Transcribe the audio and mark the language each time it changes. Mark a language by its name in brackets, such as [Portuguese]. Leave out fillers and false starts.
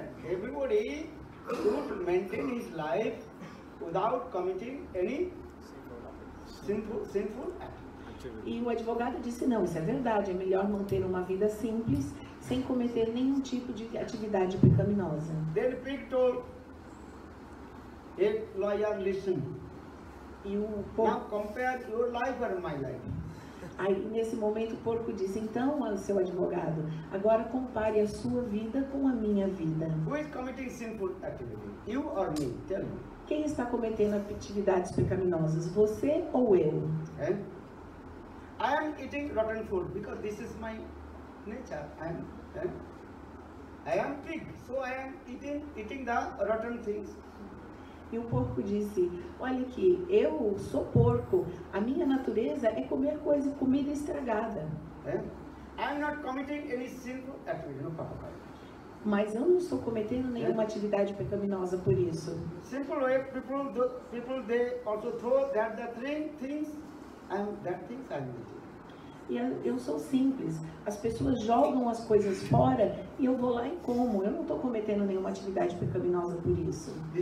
[English] Everybody should maintain his life without committing any sinful activity. [Portuguese] E o advogado disse, não, isso é verdade, é melhor manter uma vida simples sem cometer nenhum tipo de atividade pecaminosa. [English] Then the pig told, if lawyer listen, Now compare your life and my life. [Portuguese] Aí, nesse momento, o porco diz, então, seu advogado, agora compare a sua vida com a minha vida. [English] Who is committing sinful activity? You or me? Tell me. [Portuguese] Quem está cometendo atividades pecaminosas, você ou eu? [English] I am eating rotten food because this is my nature. I am pig, so I am eating the rotten things. [Portuguese] E o porco disse, olha aqui, eu sou porco, a minha natureza é comer coisa, comida estragada. [English] I'm not committing any sinful activity, no papa. [Portuguese] Mas eu não estou cometendo nenhuma atividade pecaminosa por isso. [English] Simple way, people they also throw that things I'm eating. [Portuguese] E eu sou simples, as pessoas jogam as coisas fora e eu vou lá e como, eu não estou cometendo nenhuma atividade pecaminosa por isso.